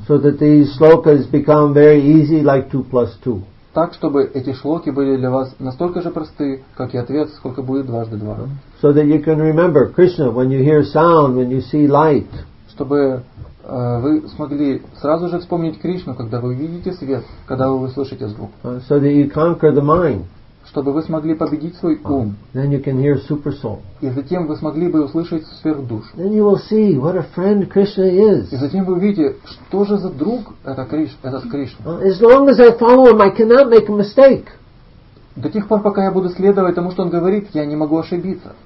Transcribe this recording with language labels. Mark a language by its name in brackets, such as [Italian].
[English] So that these shlokas become very easy, like 2+2. [Russian] Так, чтобы эти шлоки были для вас настолько же просты, как и ответ, сколько будет дважды два. [English] So that you can remember Krishna when you hear sound, when you see light. [Russian] Чтобы вы смогли сразу же вспомнить Кришну, когда вы видите свет, когда вы слышите звук. [English] So that you conquer the mind. [Russian] Чтобы вы смогли победить свой ум. [English] Then you can hear super soul. [Russian] И затем вы смогли бы услышать сверхдушу. [English] Then you will see what a friend Krishna is. [Russian] И затем вы увидите, что же за друг это Кришна. [English] As long as I follow him, I cannot make a mistake. [Russian] До тех пор, пока я буду следовать тому, что он говорит, я не могу ошибиться.